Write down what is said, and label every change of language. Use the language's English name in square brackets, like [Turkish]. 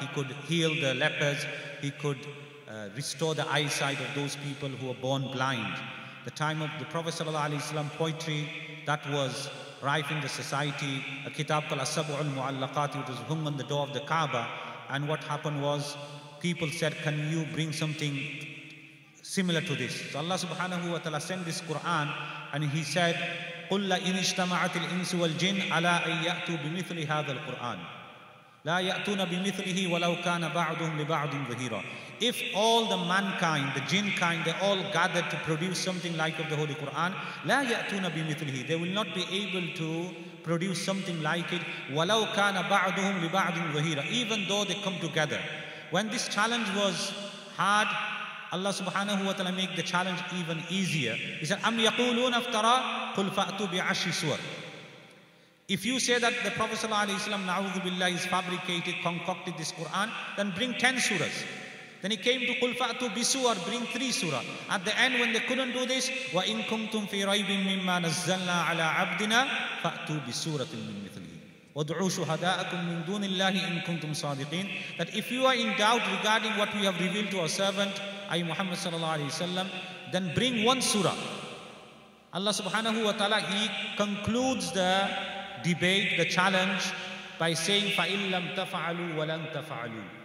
[English] He could heal the lepers, he could restore the eyesight of those people who were born blind. The time of the Prophet sallallahu alayhi wasalam, poetry that was rife in the society, a kitab called As-Sab'ul Mu'allaqat, it was hung on the door of the Kaaba. And what happened was people said, can you bring something similar to this? So Allah subhanahu wa ta'ala sent this Quran, and he said, [Arabic] قُلْ لَإِنِ اجْتَمَعَتِ الْإِنْسُ وَالْجِنُ عَلَىٰ أَن يَأْتُوا بِمِثْلِ هَذَا الْقُرْآنِ لَا يَأْتُونَ بِمِثْلِهِ وَلَوْ كَانَ بَعْضُهُمْ لِبَعْضٍ ظَهِيرًا. [English] If all the mankind, the jinn kind, they all gathered to produce something like of the Holy Quran, [Arabic] لَا يَأْتُونَ بِمِثْلِهِ, [English] they will not be able to produce something like it. [Arabic] وَلَوْ كَانَ بَعْضُهُمْ لِبَعْضٍ ظَهِيرًا, [English] even though they come together. When this challenge was hard, Allah subhanahu wa ta'ala make the challenge even easier. He said, [Arabic] أَمْ يَقُولُونَ افْتَرَى قُلْ فَأْتُوا بِعَشْرِ سُوَرٍ. [English] If you say that the Prophet sallallahu alayhi wa sallam, na'udhu billahi, is fabricated, concocted this Quran, then bring 10 surahs. Then he came to [Arabic] قُلْ فَأْتُوا بِسُوَرٍ, [English] bring 3 surahs. At the end, when they couldn't do this, [Arabic] وَإِنْ كُنْتُمْ فِي رَيْبٍ مِمَّا نَزَّلْنَا عَلَىٰ عَبْدِنَا فَأْتُوا بِسُورَةٍ مِنْ مِثْلِهِ وَدْعُوا شُهَدَاءَكُمْ مِنْ دُونِ اللَّهِ إِن كُنْتُمْ صَادِقِينَ. [English] That if you are in doubt regarding what we have revealed to our servant, Ayy Muhammad sallallahu alayhi wa sallam, then bring one surah. Allah subhanahu wa ta'ala, he concludes the debate, the challenge, by saying, [Arabic] فَإِن لَمْ تَفَعَلُوا وَلَنْ تَفَعَلُوا.